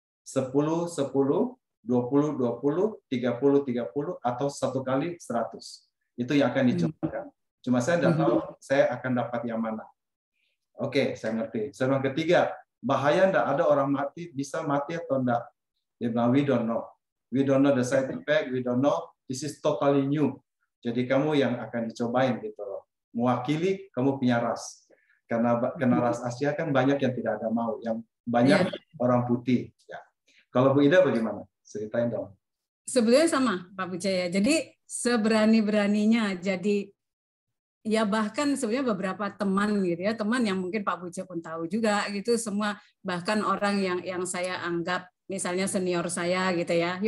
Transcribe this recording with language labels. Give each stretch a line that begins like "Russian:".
Indonesian: 10, 10, 20, 20, 30, 30, atau 1 kali 100. Itu yang akan dicobakan. Cuma saya tidak tahu saya akan dapat yang mana. Oke, saya ngerti. Yang ketiga, bahaya tidak ada orang mati, bisa mati atau tidak? Dia bilang,
English: we don't know. We don't know the side effect, we don't know. This is totally new.
Indonesian: Jadi kamu yang akan dicobain gitu loh. Mewakili kamu punya ras. Karena ras Asia kan banyak yang tidak ada mau, yang banyak orang putih ya. Kalau Bu Ida bagaimana? Ceritain dong. Sebenarnya sama Pak Bucaya. Jadi seberani-beraninya, jadi ya bahkan sebenarnya beberapa teman gitu ya, teman yang mungkin Pak Bucaya pun tahu juga gitu, semua bahkan orang yang saya anggap misalnya senior saya gitu ya.